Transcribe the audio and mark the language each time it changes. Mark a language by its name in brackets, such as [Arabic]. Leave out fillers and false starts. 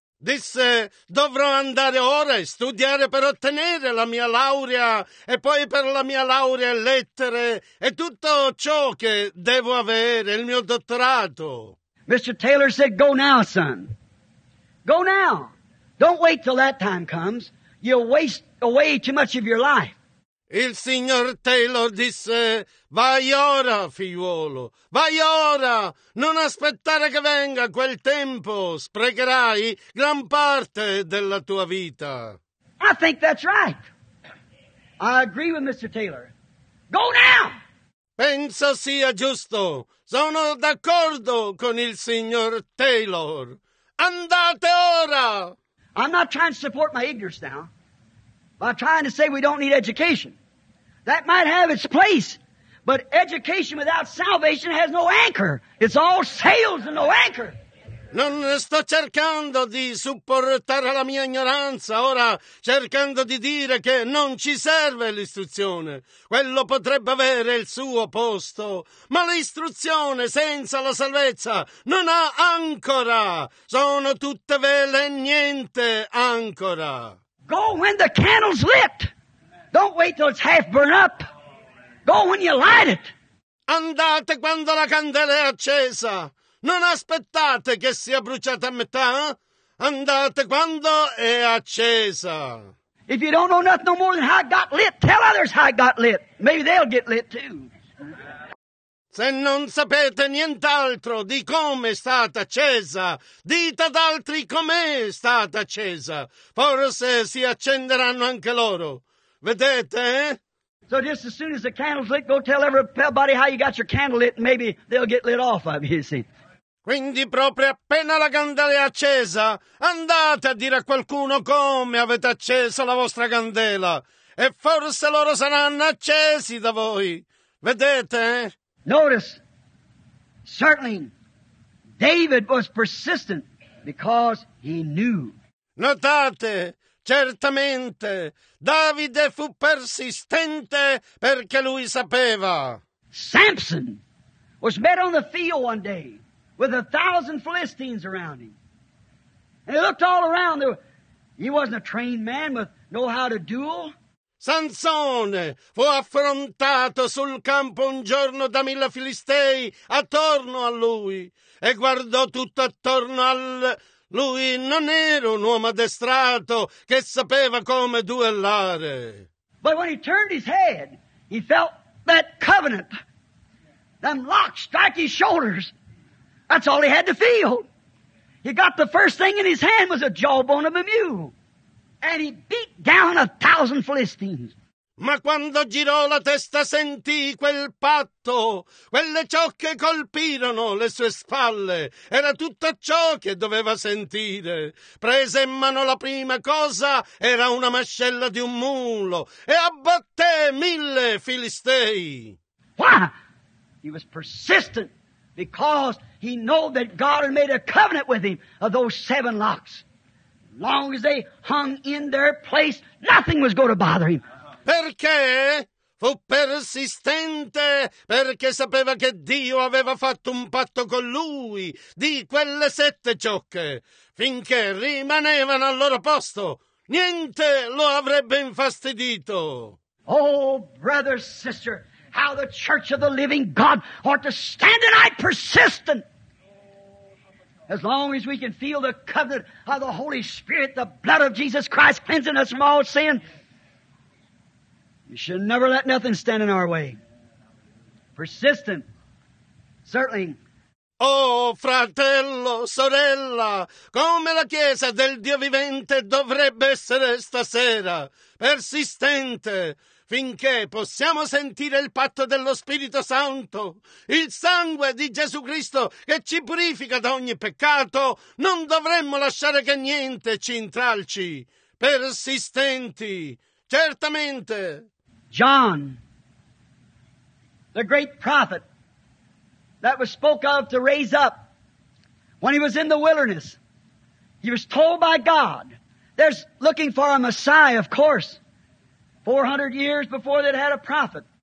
[Italian] Disse, dovrò andare ora e studiare per ottenere la mia laurea e poi per la mia laurea lettere e tutto ciò che devo avere, il mio dottorato. [English] Mr. Taylor said, go now, son. Go now. Don't wait till that time comes. You'll waste away too much of your life. [Italian] Il signor Taylor disse, vai ora, figliuolo, vai ora, non aspettare che venga quel tempo, sprecherai gran parte della tua vita. [English] I think that's right. I agree with Mr. Taylor. Go now! [Italian] Penso sia giusto. Sono d'accordo con il signor Taylor. Andate ora! [English] I'm not trying to support my ignorance now, but I'm trying to say we don't need education. That might have its place, but education without salvation has no anchor. It's all sails and no anchor. [Italian] Non sto cercando di supportare la mia ignoranza, ora cercando di dire che non ci serve l'istruzione. Quello potrebbe avere il suo posto, ma l'istruzione senza la salvezza non ha ancora. Sono tutte vele e niente ancora. [English] Go when the candle's lit. Don't wait till it's half burnt up. Go when you light it. [Italian] Andate quando la candela è accesa. Non aspettate che sia bruciata a metà. Andate quando è accesa. [English] If you don't know nothing no more than how it got lit, tell others how it got lit. Maybe they'll get lit too. [Italian] Se non sapete nient'altro di come è stata accesa, dite ad altri com'è stata accesa. Forse si accenderanno anche loro. Vedete, eh? [English] So just as soon as the candle's lit, go tell everybody how you got your candle lit, and maybe they'll get lit off of you, you see. [Italian] Quindi proprio appena la candela è accesa, andate a dire a qualcuno come avete accesa la vostra candela, e forse loro saranno accesi da voi. Vedete? [English] Notice, certainly, David was persistent because he knew. [Italian] Notate. Certamente, Davide fu persistente perché lui sapeva. [English] Samson was met on the field one day with 1,000 Philistines around him. And he looked all around. He wasn't a trained man with know-how to duel. [Italian] Sansone fu affrontato sul campo un giorno da 1,000 Filistei attorno a lui e guardò tutto attorno al... Lui non era un uomo addestrato che sapeva come duellare. [English] But when he turned his head, he felt that covenant, them locks strike his shoulders. That's all he had to feel. He got the first thing in his hand was a jawbone of a mule, and he beat down 1,000 Philistines. [Italian] Ma quando girò la testa sentì quel patto, quelle ciocche colpirono le sue spalle. Era tutto ciò che doveva sentire. Prese in mano la prima cosa, era una mascella di un mulo, e abbatté 1,000 Filistei. [English] Why? He was persistent because he knew that God had made a covenant with him of those 7 locks. Long as they hung in their place, nothing was going to bother him. [Italian] Perché? Fu persistente perché sapeva che Dio aveva fatto un patto con lui di quelle 7 ciocche. Finché rimanevano al loro posto, niente lo avrebbe infastidito. [English] Oh, brother, sister, how the church of the living God ought to stand tonight persistent. As long as we can feel the covenant of the Holy Spirit, the blood of Jesus Christ cleansing us from all sin... You should never let nothing stand in our way. Persistent, certainly. [Italian] Oh, fratello, sorella, come la Chiesa del Dio vivente dovrebbe essere stasera. Persistente, finché possiamo sentire il patto dello Spirito Santo, il sangue di Gesù Cristo che ci purifica da ogni peccato, non dovremmo lasciare che niente ci intralci. Persistenti, certamente. [English] John, the great prophet that was spoke of to raise up when he was in the wilderness, he was told by God, there's looking for a Messiah, of course, 400 years before they'd had a prophet.